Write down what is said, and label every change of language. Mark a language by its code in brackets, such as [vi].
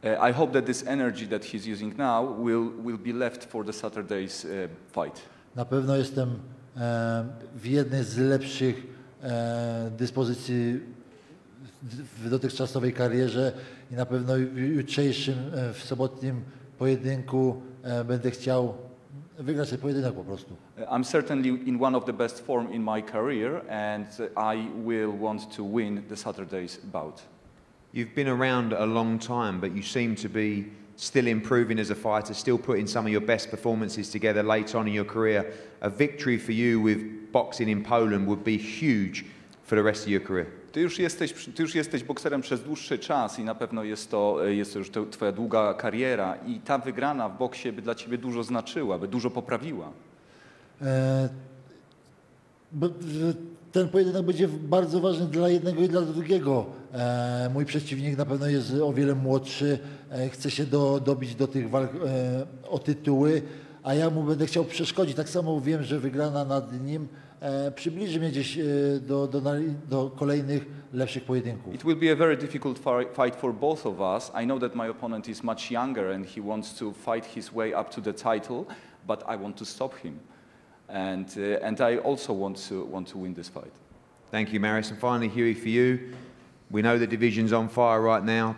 [en] I hope that this energy that he's using now will be left for the Saturday's fight. [pl] Na pewno jestem w jednej z lepszych dyspozycji w dotychczasowej karierze i na pewno w jutrzejszym, w sobotnim pojedynku będę chciał wygrać ten pojedynek po prostu. [en] I'm certainly in one of the best form in my career and I will want to win the Saturday's bout. You've been around a long time, but you seem to be still improving as a fighter, still putting some of your best performances together later on in your career. A victory for you with boxing in Poland would be huge for the rest of your career. [pl] Ty już jesteś bokserem przez dłuższy czas i na pewno jest to już twoja długa kariera i ta wygrana w boksie by dla ciebie dużo znaczyła, by dużo poprawiła. Ten pojedynek będzie bardzo ważny dla jednego i dla drugiego. Mój przeciwnik na pewno jest o wiele młodszy, chce się dobić do tych walk o tytuły, a ja mu będę chciał przeszkodzić. Tak samo wiem, że wygrana nad nim przybliży mnie gdzieś do kolejnych lepszych pojedynków. [en] It will be a very difficult fight for both of us. I know that my opponent is much younger and he wants to fight his way up to the title, but I want to stop him. And I also want to win this fight. Thank you, Marius. And finally, Huey, for you, we know the division's on fire right now.